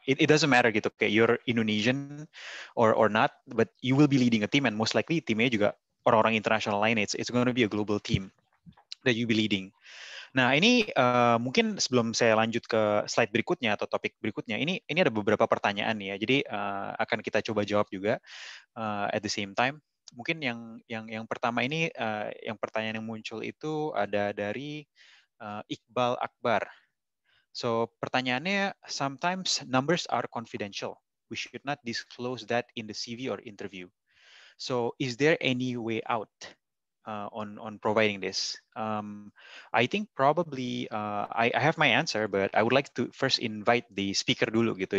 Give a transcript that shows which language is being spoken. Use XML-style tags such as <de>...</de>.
<en>It doesn't matter gitu, kayak you're Indonesian or not, but you will be leading a team and most likely</en> <id>timnya juga orang-orang international lain.</id> <en>It's going to be a global team that you be leading.</en> <id>Nah, ini mungkin sebelum saya lanjut ke slide berikutnya atau topik berikutnya, ini ada beberapa pertanyaan nih ya. Jadi akan kita coba jawab juga</id> <en>at the same time.</en> <id>Mungkin yang pertama ini, yang pertanyaan yang muncul itu ada dari Iqbal Akbar.</id> <en>So pertanyaannya, sometimes numbers are confidential. We should not disclose that in the CV or interview. So is there any way out on providing this? I think probably I have my answer, but I would like to first invite the speaker</en> <id>dulu gitu.</id>